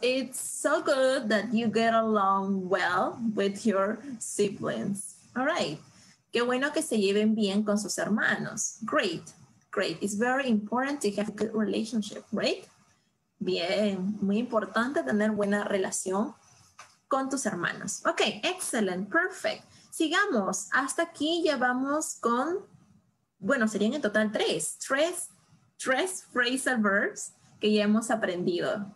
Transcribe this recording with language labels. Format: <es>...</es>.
<en>It's so good that you get along well with your siblings. All right.</en> <es>Qué bueno que se lleven bien con sus hermanos.</es> <en>Great. Great. It's very important to have a good relationship, right?</en> <es>Bien. Muy importante tener buena relación con tus hermanos.</es> <en>Okay. Excellent. Perfect.</en> <es>Sigamos. Hasta aquí ya vamos con, bueno, serían en total tres phrasal verbs que ya hemos aprendido.</es>